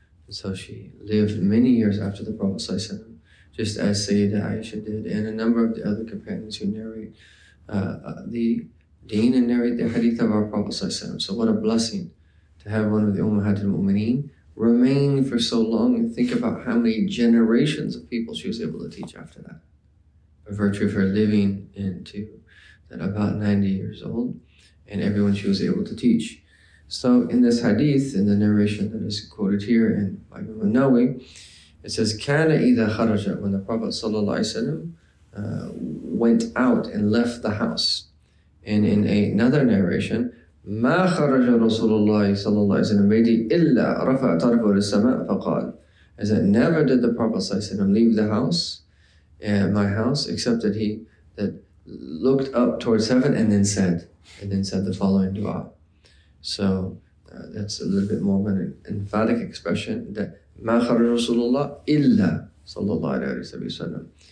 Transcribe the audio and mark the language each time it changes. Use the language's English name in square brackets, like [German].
[English] So she lived many years after the Prophet sallallahu alaihi wasallam, just as Sayyidah Aisha did and a number of the other companions who narrate the deen and narrate the hadith of our Prophet sallallahu alaihi wasallam. So what a blessing to have one of the Ummahat al-Mu'mineen remain for so long, and think about how many generations of people she was able to teach after that, by virtue of her living into that about 90 years old and everyone she was able to teach. So in this hadith, in the narration that is quoted here in by Imam An-Nawawi, it says, [Arabic] "Kana idha kharaja," [English] when the Prophet sallallahu alaihi wasallam went out and left the house, In another narration, [Arabic] ما خرج رسول الله صلى الله عليه وسلم بيدي إلا رفع طرفه للسماء فقال. [English] As that never did the Prophet صلى الله عليه وسلم leave the house, my house, except that he looked up towards heaven and then said, the following dua. So that's a little bit more of an emphatic expression that [Arabic] ما خرج رسول الله إلا صلى الله عليه وسلم.